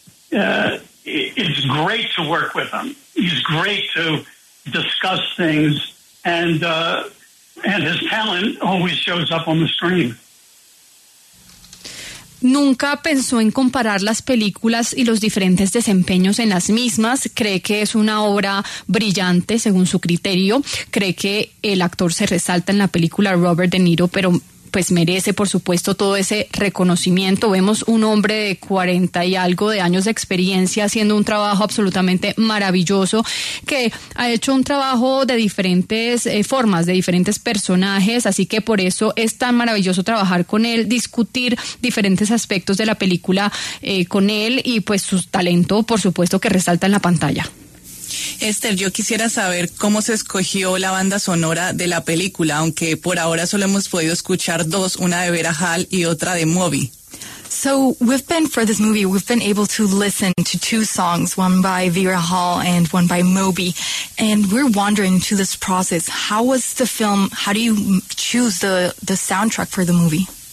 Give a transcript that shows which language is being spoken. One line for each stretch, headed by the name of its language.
English: So it's great to work with him. He's great to discuss things, and his talent always shows up on the screen.
Spanish: nunca pensó en comparar las películas y los diferentes desempeños en las mismas. Cree que es una obra brillante según su criterio. Cree que el actor se resalta en la película Robert De Niro, pero pues merece, por supuesto, todo ese reconocimiento. Vemos un hombre de 40 y algo de años de experiencia haciendo un trabajo absolutamente maravilloso, que ha hecho un trabajo de diferentes formas, de diferentes personajes, así que por eso es tan maravilloso trabajar con él, discutir diferentes aspectos de la película con él, y pues su talento, por supuesto, que resalta en la pantalla. Esther, yo quisiera saber cómo se escogió la banda sonora de la película, aunque por ahora solo hemos podido escuchar dos, una de Vera Hall y otra de Moby.
English: So we've been, for this movie, we've been able to listen to two songs, one by Vera Hall and one by Moby. And we're wondering to this process, how was the film, how do you choose the soundtrack for the movie?